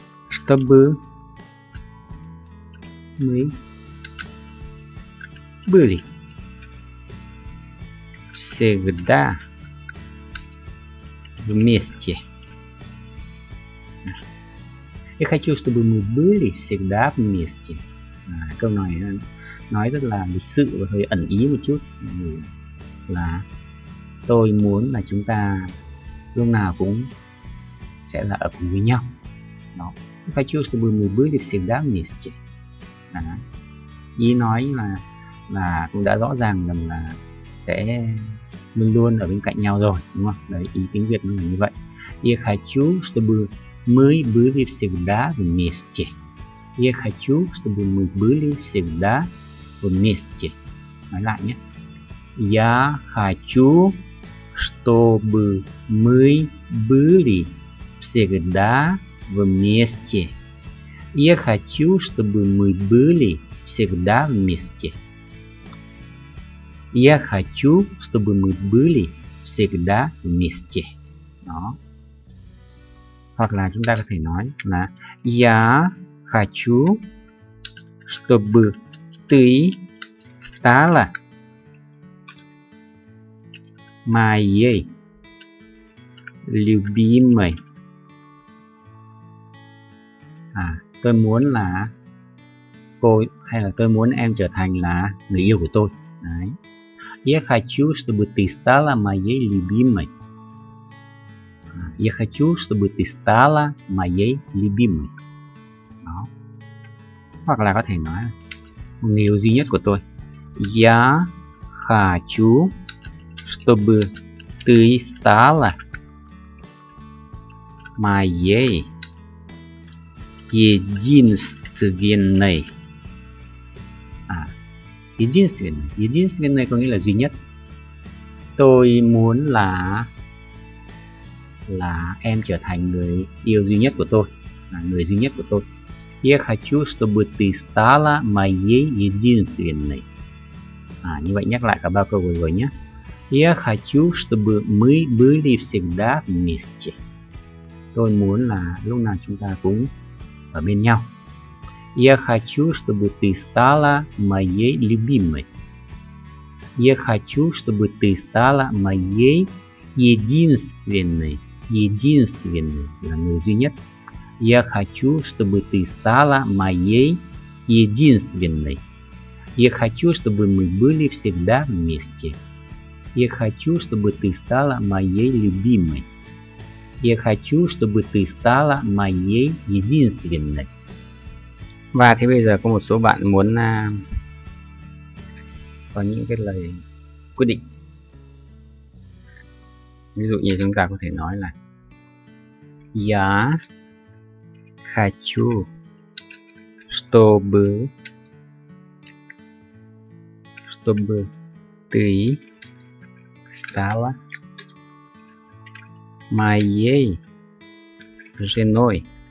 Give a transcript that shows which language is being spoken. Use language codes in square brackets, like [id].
[ru] Чтобы мы были всегда вместе. Я хочу, чтобы мы были всегда вместе. [vi] À, câu này nói rất là lịch sự và hơi ẩn ý một chút. Là tôi muốn là chúng ta lúc nào cũng sẽ là ở cùng với nhau. [ru] Я хочу, чтобы мы были всегда вместе. [vi] À, ý nói là cũng đã rõ ràng rằng là sẽ luôn luôn ở bên cạnh nhau rồi, đúng không? Đấy, ý tiếng Việt nó là như vậy. [ru] Я хочу, чтобы мы были всегда вместе. Я хочу, чтобы мы были всегда вместе. [vi] Nói lại nhé. [ru] Я хочу, чтобы мы были всегда вместе. Я хочу, чтобы мы были всегда вместе. Я хочу, чтобы мы были всегда вместе. [vi] Đó. Hoặc là chúng ta có thể nói là [ru] Я хочу, чтобы ты стала моей любимой. [vi] À, tôi muốn là cô hay là tôi muốn em trở thành là người yêu của tôi. Đấy. [ru] Я хочу, чтобы ты стала моей любимой. Я хочу, чтобы ты стала моей любимой. [vi] Đó. hoặc là có thể nói người yêu duy nhất của tôi. [ru] Я хочу, чтобы ты стала моей единственной. [vi] Единственной có nghĩa là duy nhất. Tôi muốn là em trở thành người yêu duy nhất của tôi, là người duy nhất của tôi. [ru] Я хочу, чтобы ты стала моей единственной. [vi] Như vậy nhắc lại cả ba câu vừa rồi nhé. [ru] Я хочу, чтобы мы были всегда вместе. [vi] Tôi muốn là lúc nào chúng ta cũng ở bên nhau. [ru] Я хочу, чтобы ты стала моей любимой. Я хочу, чтобы ты стала моей единственной. [vi] Единственной là người duy nhất. [ru] Я хочу, чтобы ты стала моей единственной. Я хочу, чтобы мы были всегда вместе. Я хочу, чтобы ты стала моей любимой. Я хочу, чтобы ты стала моей единственной. [vi] Và thế bây giờ có một số bạn muốn có những cái lời quyết định. Ví dụ như chúng ta có thể nói là [ru] Я хочу, чтобы ты стала моей женой.